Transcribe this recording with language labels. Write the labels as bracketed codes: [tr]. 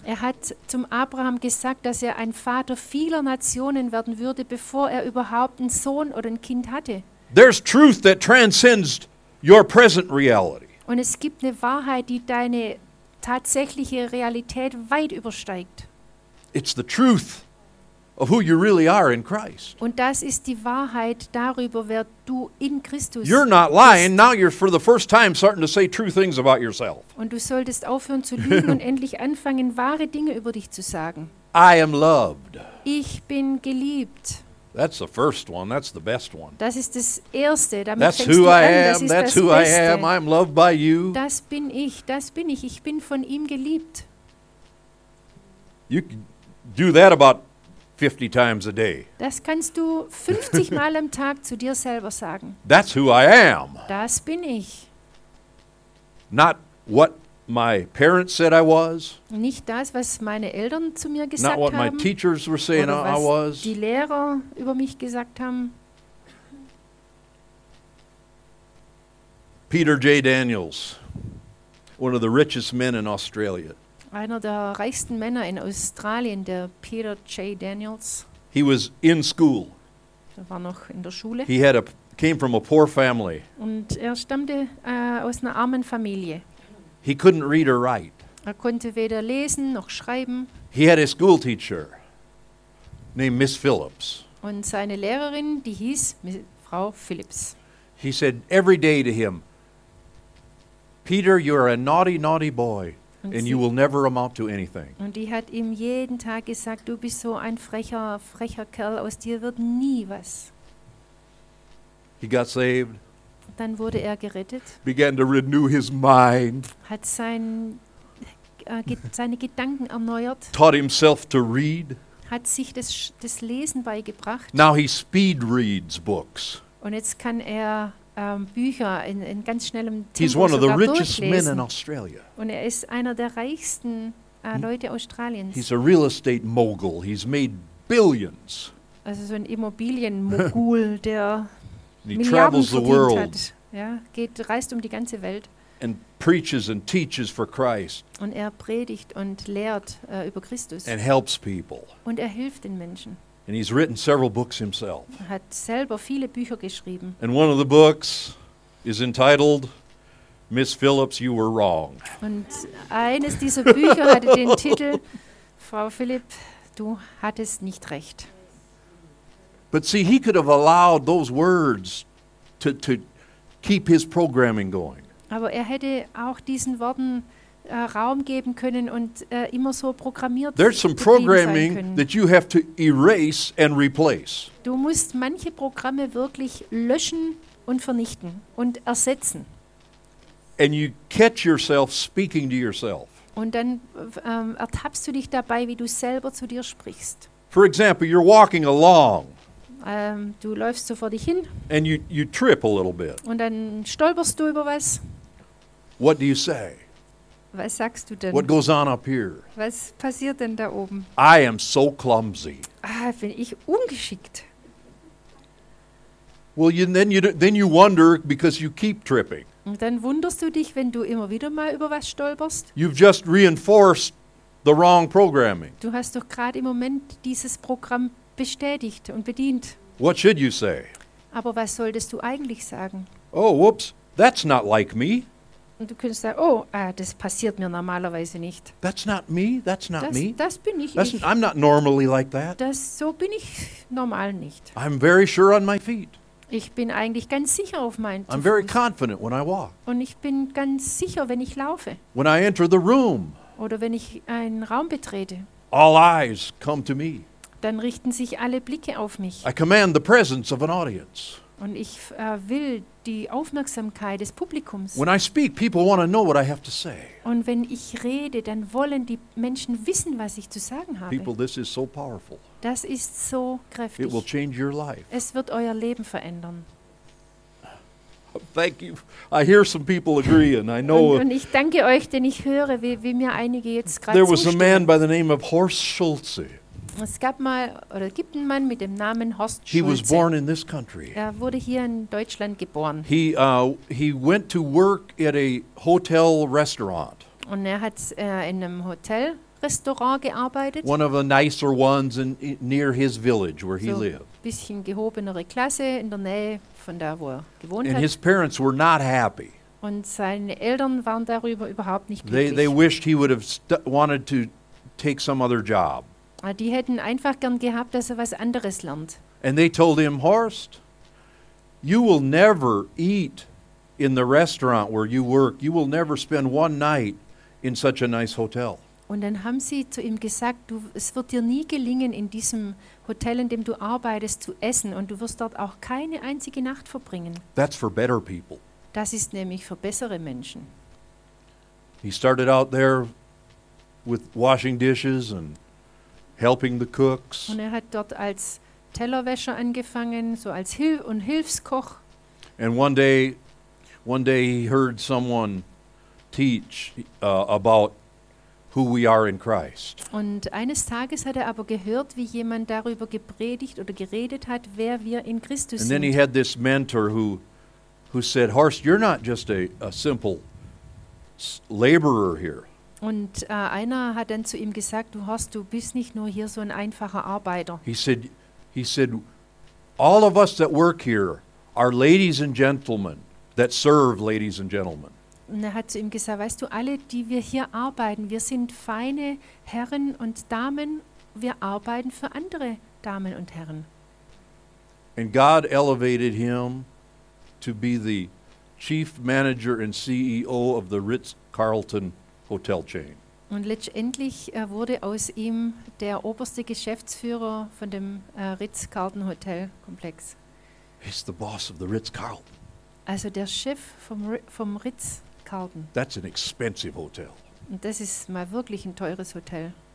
[de] Er hat zum Abraham gesagt, dass er ein Vater vieler Nationen werden würde, bevor er überhaupt einen Sohn oder ein Kind hatte. [en] There's truth that transcends your present reality. [de] Und es gibt eine Wahrheit, die deine tatsächliche Realität weit übersteigt. [en] It's the truth of who you really are in Christ. [de] Und das ist die Wahrheit darüber, wer du in Christus bist. [en] You're not lying. Now you're for the first time starting to say true things about yourself. [de] Und du solltest aufhören zu lügen und endlich anfangen, wahre Dinge über dich zu sagen. [en] I am loved. [de] Ich bin geliebt. [en] That's the first one. That's the best one. [de] Das ist das Erste. Damit [en] That's who I am. That's who I am. I'm loved by you. [de] Das bin ich. Das bin ich. Ich bin von ihm geliebt. [en] You can do that about 50 times a day. [de] Das kannst du 50 Mal am Tag zu dir selber sagen. [en] That's who I am. [de] Das bin ich. [en] Not what my parents said I was. [de] Nicht das, was meine Eltern zu mir gesagt haben. [en] Not what my teachers were saying I was. [de] Die Lehrer über mich gesagt haben. [en] Peter J. Daniels, one of the richest men in Australia. [de] Einer der reichsten Männer in Australien, der Peter J. Daniels. [en] He was in school. [de] Er war noch in der Schule. [en] He had came from a poor family. [de] Und er stammte aus einer armen Familie. [en] He couldn't read or write. [de] Er konnte weder lesen noch schreiben. [en] He had a school teacher named Miss Phillips. [de] Und seine Lehrerin, die hieß Frau Phillips. [en] He said every day to him, Peter, you are a naughty, naughty boy. And you will never amount to anything. [de] Und die hat ihm jeden Tag gesagt, du bist so ein frecher Kerl, aus dir wird nie was. [en] He got saved. [de] Dann wurde er gerettet. [en] Began to renew his mind. [de] Hat seine Gedanken erneuert. [en] Taught himself to read. [de] Hat sich das Lesen beigebracht. [en] Now he speed reads books. [de] Und jetzt kann er Bücher in ganz schnellem Tempo. [en] He's one of the richest men in Australia. [de] Und er ist einer der reichsten Leute Australiens. [en] He's a real estate mogul. He's made billions. [de] Also so ein Immobilienmogul, der Milliarden verdient hat. Reist um die ganze Welt. [en] And preaches and teaches for Christ. [de] Und er predigt und lehrt über Christus. [en] And helps people. [de] Und er hilft den Menschen. [en] And he's written several books himself. [de] Hat selber viele Bücher geschrieben. [en] And one of the books is entitled Miss Phillips, You Were Wrong. [de] Und eines dieser Bücher hatte den Titel Frau Philipp, du hattest nicht recht. [en] But see, he could have allowed those words to keep his programming going. [de] Aber er hätte auch diesen Worten Raum geben können und immer so programmiert. [en] There's some programming that you have to erase and replace. [de] Du musst manche Programme wirklich löschen und vernichten und ersetzen. [en] And you catch yourself speaking to yourself. [de] Und dann ertappst du dich dabei, wie du selber zu dir sprichst. [en] For example, you're walking along. [de] Du läufst so vor dich hin. [en] And you trip a little bit. [de] Und dann stolperst du über was. [en] What do you say? [de] Was sagst du denn? [en] What goes on up here? [de] Was passiert denn da oben? [en] I am so clumsy. [de] Ah, bin ich ungeschickt. [en] Well, then you wonder because you keep tripping. [de] Und dann wunderst du dich, wenn du immer wieder mal über was stolperst. [en] You've just reinforced the wrong programming. [de] Du hast doch gerade im Moment dieses Programm bestätigt und bedient. [en] What should you say? [de] Aber was solltest du eigentlich sagen? [en] Oh, whoops, that's not like me. [de] Und du könntest sagen, oh, das passiert mir normalerweise nicht. [en] That's not me, that's not [de] das, [en] me. [de] Das bin ich. [en] I'm not normally like that. [de] Das, so bin ich normal nicht. [en] I'm very sure on my feet. [de] Ich bin eigentlich ganz sicher auf meinen Füßen. [en] I'm very confident when I walk. [de] Und ich bin ganz sicher, wenn ich laufe. [en] When I enter the room. [de] Oder wenn ich einen Raum betrete. [en] All eyes come to me. [de] Dann richten sich alle Blicke auf mich. [en] I command the presence of an audience. [de] Und ich will die Aufmerksamkeit des Publikums. [en] When I speak, people want to know what I have to say. [de] Und wenn ich rede, dann wollen die Menschen wissen, was ich zu sagen habe. [en] People, this is so powerful. [de] Das ist so kräftig. [en] It will change your life. [de] Es wird euer Leben verändern. [en] Thank you. I hear some people agree, and I know. [de] Und ich danke euch, denn ich höre, wie mir einige jetzt gerade zustimmen. [en] There was a man by the name of Horst Schulze. [de] Es gab mal oder gibt einen Mann mit dem Namen Horst Schulze. [en] He was born in this country. [de] Er wurde hier in Deutschland geboren. [en] He went to work at a hotel restaurant. [de] Und er hat in einem Hotel Restaurant gearbeitet. [en] One of the nicer ones in near his village where he lived. [de] So bisschen gehobenere Klasse in der Nähe von da, wo er gewohnt hat. [en] And his parents were not happy. [de] Und seine Eltern waren darüber überhaupt nicht glücklich. [en] They wished he would have wanted to take some other job. [de] Die hätten einfach gern gehabt, dass er was anderes lernt. [en] And they told him, Horst, you will never eat in the restaurant where you work. You will never spend one night in such a nice hotel. [de] Und dann haben sie zu ihm gesagt, es wird dir nie gelingen, in diesem Hotel, in dem du arbeitest, zu essen. Und du wirst dort auch keine einzige Nacht verbringen. [en] That's for better people. [de] Das ist nämlich für bessere Menschen. [en] He started out there with washing dishes and helping the cooks. [de] Und er hat dort als Tellerwäscher angefangen, so als Hilfskoch. [en] And one day he heard someone teach about who we are in Christ. [de] Und eines Tages hat er aber gehört, wie jemand darüber gepredigt oder geredet hat, wer wir in Christus sind. [en] And then he had this mentor who said, Horst, you're not just a simple laborer here. [de] Und einer hat dann zu ihm gesagt, Horst, du bist nicht nur hier so ein einfacher Arbeiter. [en] He said, all of us that work here are ladies and gentlemen that serve ladies and gentlemen. [de] Und er hat zu ihm gesagt, weißt du, alle, die wir hier arbeiten, wir sind feine Herren und Damen, wir arbeiten für andere Damen und Herren. [en] And God elevated him to be the chief manager and CEO of the Ritz-Carlton hotel chain. [de] Und letztendlich wurde aus ihm der oberste Geschäftsführer von dem Ritz-Carlton Hotel Komplex. [en] He's the boss of the Ritz-Carlton. [de] Also der Chef vom Ritz-Carlton. [en] That's an expensive hotel. [de] Und das ist mal wirklich ein teures Hotel.